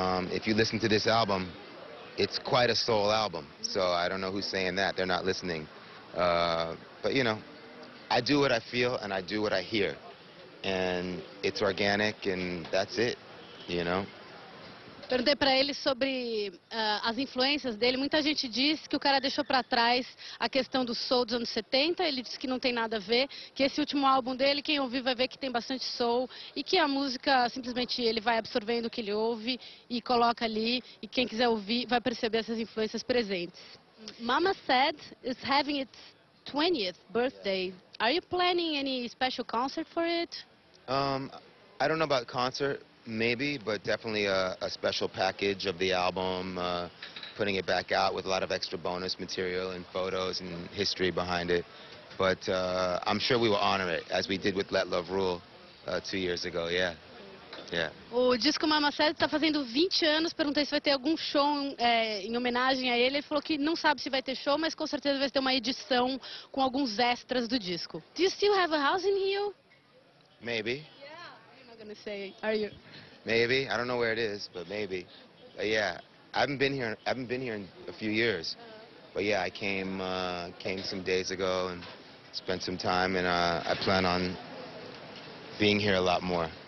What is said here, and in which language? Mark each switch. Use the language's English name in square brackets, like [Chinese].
[English] If you listen to this album, it's quite a soul album, so I don't know who's saying that. They're not listening. But, you know, I do what I feel, and I do what I hear, and it's organic, and that's it, you know? [Portuguese] Perguntei para ele sobre as influências dele. Muita gente diz que o cara deixou para trás a questão do soul dos anos 70. Ele disse que não tem nada a ver, que esse último álbum dele, quem ouvir vai ver que tem bastante soul e que a música, simplesmente, ele vai absorvendo o que ele ouve e coloca ali, e quem quiser ouvir vai perceber essas influências presentes. [English] Mama Said is having its 20th birthday. Yeah. Are you planning any special concert for it? I don't know about concert, maybe, but definitely a special package of the album, putting it back out with a lot of extra bonus material and photos and history behind it. But I'm sure we will honor it, as we did with Let Love Rule 2 years ago, yeah. Yeah. [Portuguese] O disco Mama Said está fazendo 20 anos, perguntei se vai ter algum show em homenagem a ele. Ele falou que não sabe se vai ter show, mas com certeza vai ter uma edição com alguns extras do disco. [English] Do you still have a house in Rio? Maybe. Yeah, you're not gonna say, are you? Maybe, I don't know where it is, but maybe. Yeah, I haven't been here in a few years. But yeah, I came some days ago and spent some time, and I plan on being here a lot more.